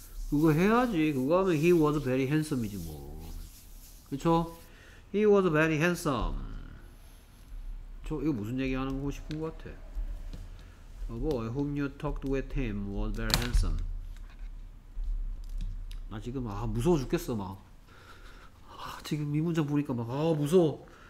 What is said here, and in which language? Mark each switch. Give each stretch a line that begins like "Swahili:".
Korean: 그거 해야지. 그거 하면
English: he was very handsome
Korean: 이지 뭐. 그쵸?
English: he was very handsome.
Korean: 저 이거 무슨 얘기 하는 거 싶은 것 같아.
English: The boy whom you talked with him was very handsome.
Korean: 나 지금 아 무서워 죽겠어 막. 아 지금 이 문장 보니까 막 아 무서워.